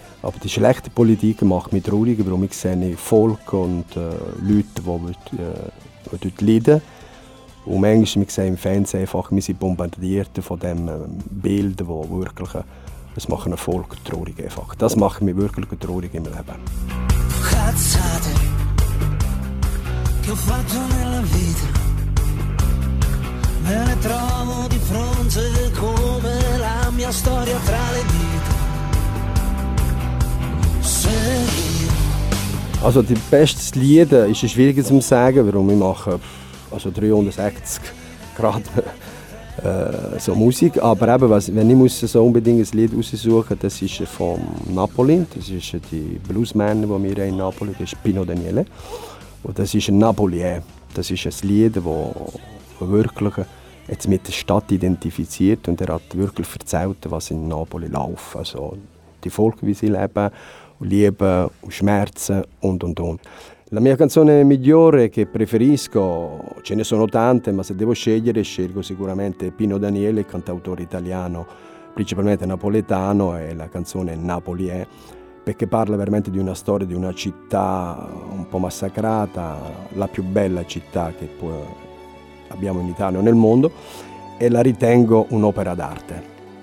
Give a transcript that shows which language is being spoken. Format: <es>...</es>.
<de>Aber die schlechte Politik macht mich traurig, weil ich sehe Volk und Leute, die dort leiden. Und manchmal sehen wir im Fernsehen einfach, wir sind bombardiert von dem Bild, wo wirklich, das macht ein Volk traurig einfach. Das macht mich wirklich traurig im Leben.</de> <it>Cazzate, che ho fatto nella vita, me ne trovo di fronte come la mia storia tra le dita. Se io...</it> <de>Also die beste Lied ist schwierig zu sagen, warum ich mache. Also 360 Grad so Musik. Aber eben, wenn ich muss so unbedingt ein Lied aussuchen, das ist von Napoli. Das ist die Bluesman, die wir in Napoli haben. Das ist Pino Daniele. Und das ist ein Napolier. Das ist ein Lied, das wirklich jetzt mit der Stadt identifiziert. Und er hat wirklich erzählt, was in Napoli läuft. Also die Folgen, wie sie leben, und Liebe und Schmerzen und.</de> <it>La mia canzone migliore che preferisco, ce ne sono tante, ma se devo scegliere scelgo sicuramente Pino Daniele, cantautore italiano, principalmente napoletano, e la canzone Napoli è, perché parla veramente di una storia di una città un po' massacrata, la più bella città che poi abbiamo in Italia o nel mondo, e la ritengo un'opera d'arte.</it>